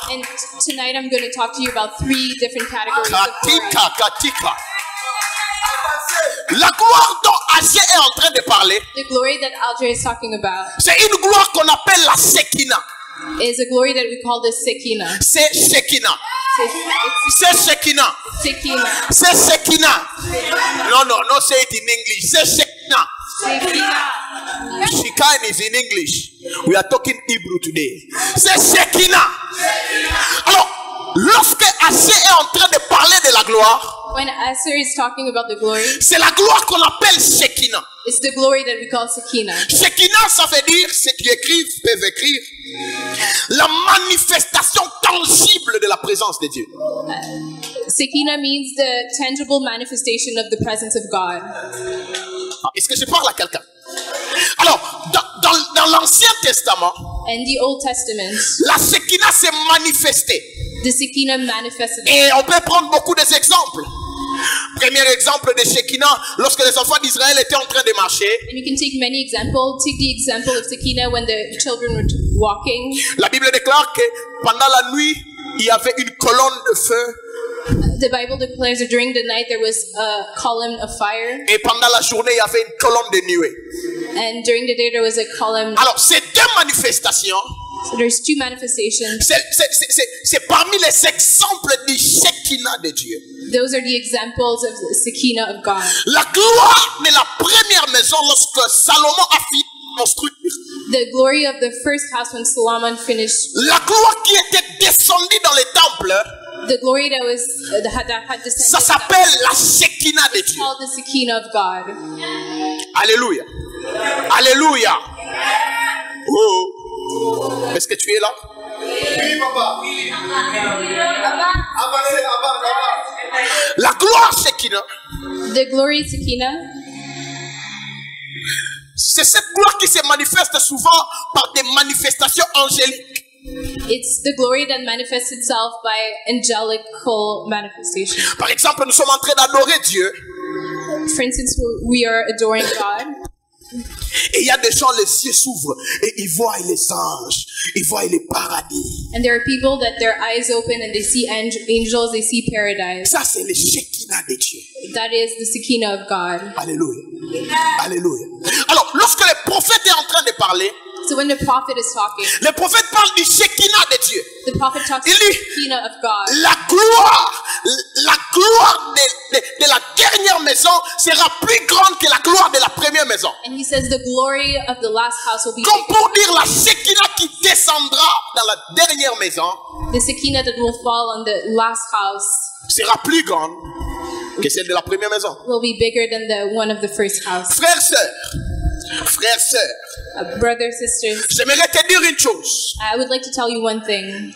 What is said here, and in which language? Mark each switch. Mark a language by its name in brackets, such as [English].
[English] And tonight, I'm going to talk to you about three different categories of glory. [Swahili] Katika, katika. [French] La gloire dont Agé est en train de parler, [English] the glory that Alger is talking about, [French] c'est une gloire qu'on appelle la Shekinah. [English] Is a glory that we call the Shekinah. [French] C'est Shekinah. C'est Shekinah. [Hebrew] Shekinah. [French] C'est Shekinah. Shekinah. [English] No, no, no, say it in English. [French] C'est Shekinah. [Hebrew] Shekinah. [English] Shekinah is in English. We are talking Hebrew today. [French] C'est Shekinah. [Hebrew] Shekinah. [French] Alors, lorsque Agé est en train de parler de la gloire, [English] when Esther is talking about the glory, [French] c'est la gloire qu'on appelle Shekinah. [English] It's the glory that we call Shekinah. [French] Shekinah, ça veut dire, ceux qui écrivent peuvent écrire, la manifestation tangible de la présence de Dieu. [English] Shekinah means the tangible manifestation of the presence of God. [French] Ah, est-ce que je parle à quelqu'un? Alors, dans l'Ancien Testament, [English] in the Old Testament, [French] la Shekinah s'est manifestée. [English] The Shekinah manifested. [French] Et on peut prendre beaucoup d'exemples. Premier exemple de Shekinah, lorsque les enfants d'Israël étaient en train de marcher. [English] And you can take many examples. Take the example of Shekinah when the children were walking. [French] La Bible déclare que pendant la nuit, il y avait une colonne de feu. [English] The Bible declares that during the night there was a column of fire. [French] Et pendant la journée, il y avait une colonne de nuée. [English] And during the day there was a column. [French] Alors, ces deux manifestations. [English] So there's two manifestations. [French] C'est parmi les exemples du Shekinah de Dieu. [English] Those are the examples of the Shekinah of God. [French] La gloire de la première maison lorsque Salomon a fini de construire. [English] The glory of the first house when Solomon finished. [French] La gloire qui était descendue dans les temples. [English] The glory that was had descended. [French] Ça s'appelle la Shekinah de Dieu. [English] It's called the Shekinah of God. [French] Alléluia. Alléluia. Oh. Est-ce que tu es là? Oui, papa. Avancez, avance, avance. La gloire Shekinah. [English] The glory Shekinah. [French] C'est cette gloire qui se manifeste souvent par des manifestations angéliques. [English] It's the glory that manifests itself by angelical manifestations. [French] Par exemple, nous sommes en train d'adorer Dieu. [English] For instance, we are adoring God. [French] Et il y a des gens, les yeux s'ouvrent et ils voient les anges, ils voient les paradis. [English] And there are people that their eyes open and they see angels, they see paradise. [French] Ça c'est le Shekinah de Dieu. [English] That is the Shekinah of God. [French] Alléluia. Alléluia. Alors, lorsque le prophète est en train de parler, [English] to when the prophet is talking. [French] Le prophète parle du Shekinah de Dieu. [English] The prophet talks about the Shekinah of God. [French] La gloire de la dernière maison sera plus grande que la gloire de la première maison. [English] And he says the glory of the last house will be [French] comme pour dire la Shekinah qui descendra dans la dernière maison. [English] The Shekinah that will fall on the last house [French] sera plus grande que celle de la première maison. [English] Will be bigger than the one of the first house. [French] Frères, sœurs. [English] Brothers, sisters. [French] J'aimerais te dire une chose. [English] I would like to tell you one thing.